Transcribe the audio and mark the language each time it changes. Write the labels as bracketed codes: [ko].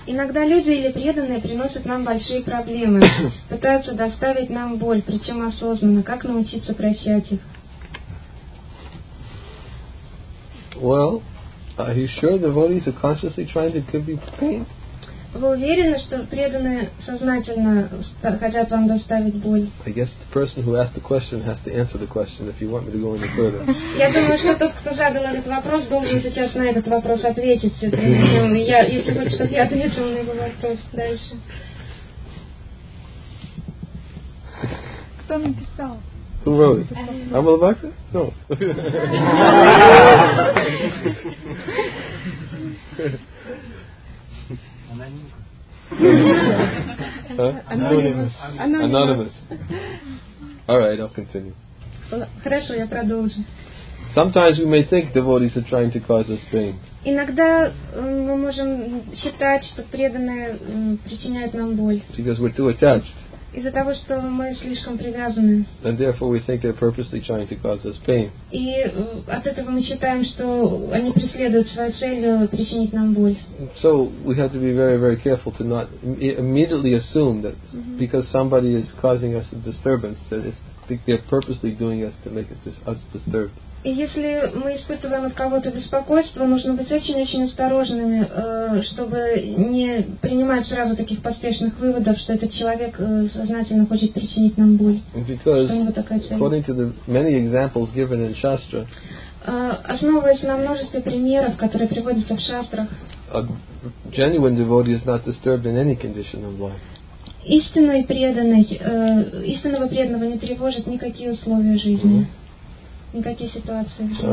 [ru] Иногда люди или преданные приносят нам большие проблемы, пытаются доставить нам боль, причем осознанно. Как научиться прощать их? [en] Well, are you sure devotees are consciously trying to give you pain? [ru] Вы уверены, что преданные сознательно хотят вам доставить боль? [en] I guess the person who asked the question has to answer the question if you want me to go any further. [ru] Я думаю, что тот, кто задал этот вопрос, должен сейчас на этот вопрос ответить. Если хочет, чтобы я ответил на его вопрос дальше. Кто написал? [en] Who wrote it? Amala Bhakta? No. Anonymous. All right, I'll continue. [ru] Хорошо, я продолжу. [en] Sometimes we may think devotees are trying to cause us pain. [ru] Иногда мы можем считать, что преданные причиняют нам боль. [en] Because we're too attached. [ru] Из-за того, что мы слишком привязаны. [en] And therefore we think they're purposely trying to cause us pain. [ru] И от этого мы считаем, что они преследуют свою цель причинить нам боль. [en] So we have to be very, very careful to not immediately assume that because somebody is causing us a disturbance, that they're purposely doing us to make us disturbed. [ru] И если мы испытываем от кого-то беспокойство, нужно быть очень-очень осторожными, чтобы не принимать сразу таких поспешных выводов, что этот человек сознательно хочет причинить нам боль. [en] Because, according to the many examples given in Shastra, [ru] основываясь на множестве примеров, которые приводятся в шастрах, [en] a genuine devotee is not disturbed in any condition of life. [ru] истинной преданной, истинного преданного не тревожат никакие условия жизни, никакие ситуации в жизни.